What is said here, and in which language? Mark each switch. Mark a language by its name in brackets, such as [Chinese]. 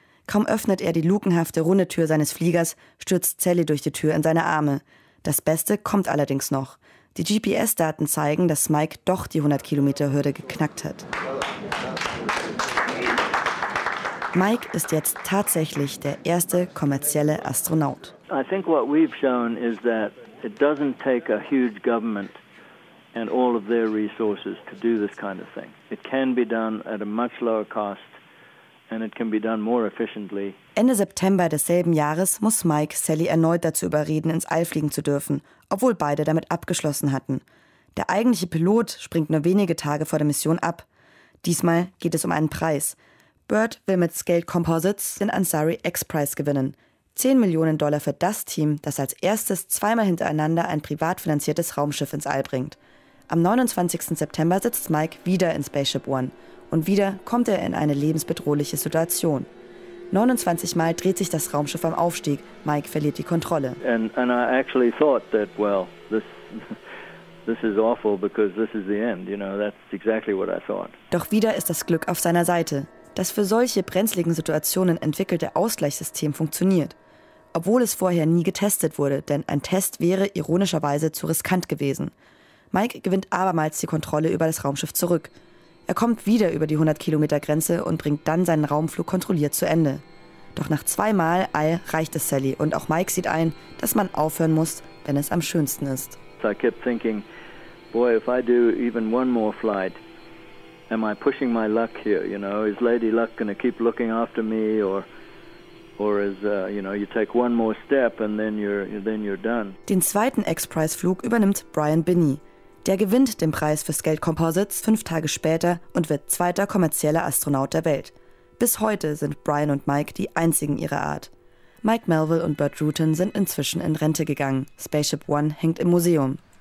[German] Kaum öffnet er die lukenhafte, runde Tür seines Fliegers, stürzt Sally durch die Tür in seine Arme. Das Beste kommt allerdings noch. Die GPS-Daten zeigen, dass Mike doch die 100-Kilometer-Hürde geknackt hat. Mike ist jetzt tatsächlich der erste kommerzielle Astronaut. [English] I think what we've shown is that it doesn't take a huge government and all of their resources to do this kind of thing. It can be done at a much lower cost and it can be done more efficiently. [German] Ende September desselben Jahres muss Mike Sally erneut dazu überreden, ins All fliegen zu dürfen, obwohl beide damit abgeschlossen hatten. Der eigentliche Pilot springt nur wenige Tage vor der Mission ab. Diesmal geht es um einen Preis. Bird will mit Scaled Composites den Ansari X-Prize gewinnen. 10 Millionen Dollar für das Team, das als erstes zweimal hintereinander ein privat finanziertes Raumschiff ins All bringt. Am 29. September sitzt Mike wieder in Spaceship One. Und wieder kommt er in eine lebensbedrohliche Situation. 29 Mal dreht sich das Raumschiff am Aufstieg. Mike verliert die Kontrolle. [English] And I actually thought that, well, this is awful because this is the end. You know, that's exactly what I thought. [German] Doch wieder ist das Glück auf seiner Seite. Das für solche brenzligen Situationen entwickelte Ausgleichssystem funktioniert. Obwohl es vorher nie getestet wurde, denn ein Test wäre ironischerweise zu riskant gewesen. Mike gewinnt abermals die Kontrolle über das Raumschiff zurück. Er kommt wieder über die 100-Kilometer-Grenze und bringt dann seinen Raumflug kontrolliert zu Ende. Doch nach zweimal All reicht es Sally und auch Mike sieht ein, dass man aufhören muss, wenn es am schönsten ist. [English] So I kept thinking, boy, if I do even one more flight, am I pushing my luck here? You know, is Lady Luck going to keep looking after me, or is you know, you take one more step and then you're done? [German] Den zweiten X-Prize-Flug übernimmt Brian Binney. Der gewinnt den Preis für Scaled Composites 5 Tage später und wird zweiter kommerzieller Astronaut der Welt. Bis heute sind Brian und Mike die einzigen ihrer Art. Mike Melville und Bert Rutan sind inzwischen in Rente gegangen. Spaceship One hängt im Museum.